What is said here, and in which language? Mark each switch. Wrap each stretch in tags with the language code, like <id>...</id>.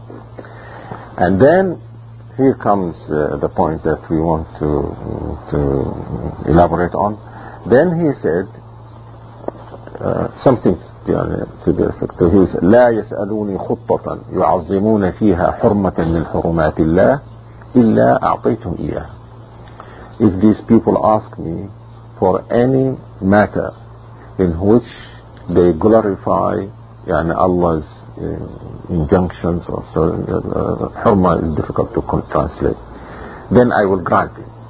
<en>And then here comes the point that we want to elaborate on. Then he said something to the effect, he said,</en> <ar>لا يسألوني خطة يعظمون فيها حرمة من حرمات الله إلا أعطيتهم إياه.</ar> <en>If these people ask me for any matter in which they glorify Allah's injunctions, or حرمة is difficult to translate, then I will grant it.</en>